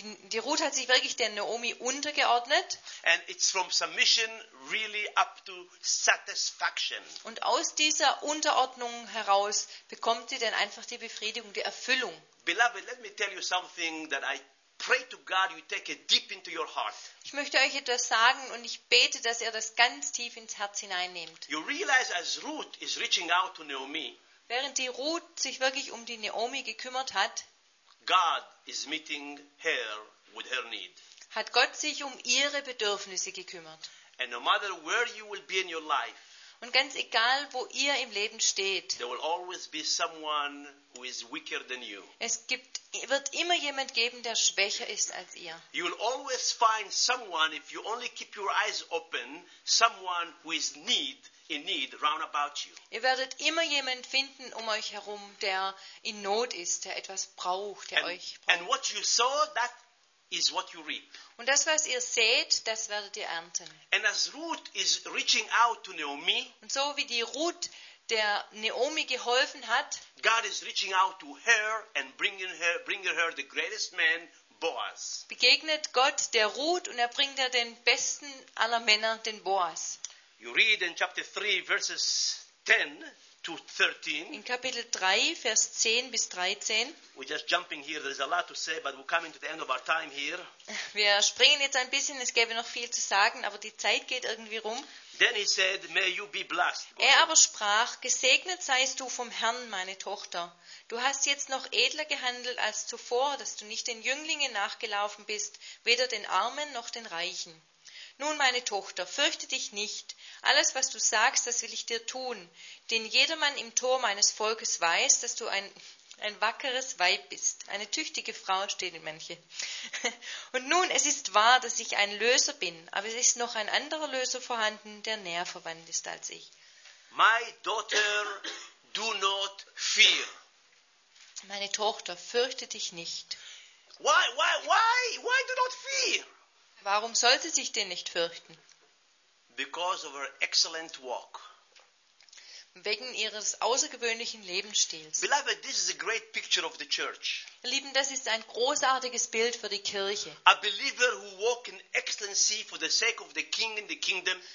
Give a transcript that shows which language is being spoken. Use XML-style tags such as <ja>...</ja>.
<de>Die Ruth hat sich wirklich der Naomi untergeordnet.</de> <en>And it's from submission really up to satisfaction.</en> <de>Und aus dieser Unterordnung heraus bekommt sie dann einfach die Befriedigung, die Erfüllung.</de> <en>Beloved, let me tell you something that I pray to God you take it deep into your heart.</en> <de>Ich möchte euch etwas sagen und ich bete, dass ihr das ganz tief ins Herz hineinnehmt.</de> <en>You realize as Ruth is reaching out to Naomi.</en> <de>Während die Ruth sich wirklich um die Naomi gekümmert hat,</de> <en>God is meeting her with her need.</en> <de>Hat Gott sich um ihre Bedürfnisse gekümmert.</de> <en>And no matter where you will be in your life.</en> <de>Und ganz egal, wo ihr im Leben steht.</de> <en>There will always be someone who is weaker than you.</en> <de>Wird immer jemand geben, der schwächer ist als ihr.</de> <en>You will always find someone, if you only keep your eyes open, someone who is in need round about you.</en> <de>Ihr werdet immer jemand finden um euch herum, der in Not ist, der etwas braucht, der euch braucht.</de> <en>And what you sow, that is what you reap.</en> <de>Und das, was ihr seht, das werdet ihr ernten.</de> <en>And as Ruth is reaching out to Naomi,</en> <de>und so wie die Ruth der Naomi geholfen hat,</de> <en>God is reaching out to her and bringing her the greatest man, Boaz.</en> <de>Begegnet Gott der Ruth und er bringt ihr den besten aller Männer, den Boaz.</de> <en>You read in chapter 3 verses 10 to 13.</en> <de>In Kapitel 3 Vers 10 bis 13.</de> <en>We're just jumping here. There's a lot to say, but we're coming to the end of our time here.</en> <de>Wir springen jetzt ein bisschen. Es gäbe noch viel zu sagen, aber die Zeit geht irgendwie rum.</de> <en>Then he said, may you be blessed.</en> <de>Er aber sprach, gesegnet seist du vom Herrn, meine Tochter. Du hast jetzt noch edler gehandelt als zuvor, dass du nicht den Jünglingen nachgelaufen bist, weder den Armen noch den Reichen. Nun, meine Tochter, fürchte dich nicht. Alles, was du sagst, das will ich dir tun. Denn jedermann im Tor meines Volkes weiß, dass du ein wackeres Weib bist. Eine tüchtige Frau, steht in manche. Und nun, es ist wahr, dass ich ein Löser bin, aber es ist noch ein anderer Löser vorhanden, der näher verwandt ist als ich.</de> <en>My daughter, do not fear.</en> <de>Meine Tochter, fürchte dich nicht.</de> <en>Why do not fear?</en> <de>Warum sollte sich denn nicht fürchten?</de> <en>Because of her excellent walk.</en> <de>Wegen ihres außergewöhnlichen Lebensstils.</de> <en>Beloved, this is a great picture of the church.</en> <de>Lieben, das ist ein großartiges Bild für die Kirche.</de> <en>A believer who walk in excellency for the sake of the king and the kingdom.</en>